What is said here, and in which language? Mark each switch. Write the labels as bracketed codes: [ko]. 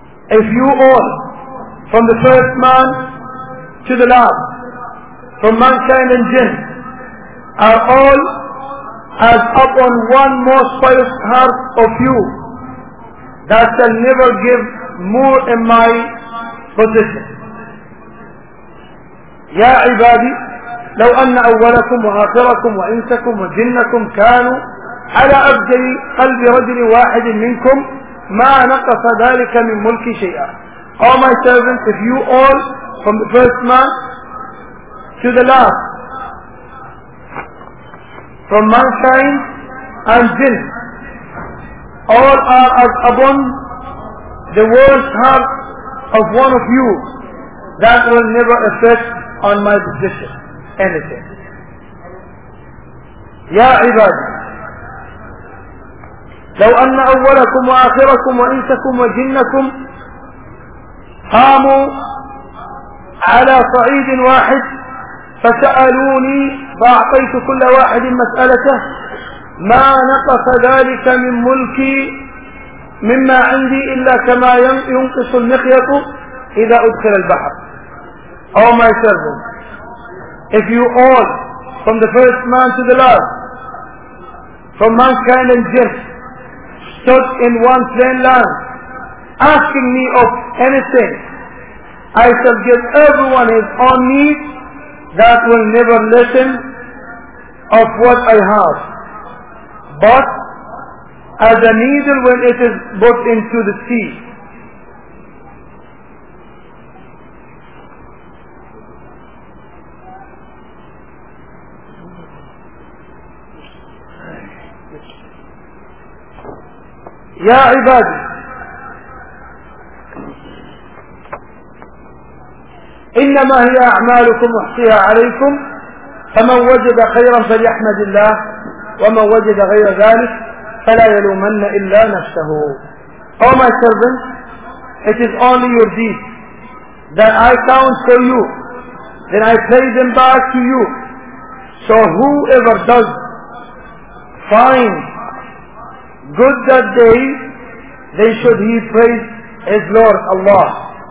[en] if you all, from the first man to the last, from mankind and jinn, are all as upon one most pious heart of you, that shall never give more in my position. [ar] يا عبادي لو أن أولكم وآخركم وإنسكم وجنكم كانوا على أبجل قلب رجل واحد منكم ما نقص ذلك من ملك شيئا. [en] All my servants, if you all, from the first man to the last, from mankind and jinn, all are as upon the world's heart of one of you, that will never affect on my position anything. [ar] يا عبادي لو أن أولكم وآخركم وإنسكم وجنكم قاموا على صعيد واحد فسألوني فأعطيت كل واحد مسألته ما نقص ذلك من ملكي مما عندي إلا كما ينقص المخيط إذا أدخل البحر. [en] Oh my servants, if you all, from the first man to the last, from mankind and jinn, stood in one plain land, asking me of anything, I shall give everyone his own needs, that will never lessen of what I have. But as a needle when it is put into the sea, [ar] يا عبادي إنما هي أعمالكم أحصيها عليكم فمن وجد خيرا فليحمد الله ومن وجد غير ذلك فلا يلومن إلا نفسه. [en] Oh my servants, it is only your deeds that I count for you, then I pay them back to you. So whoever does find good that day, they should he praise his Lord Allah.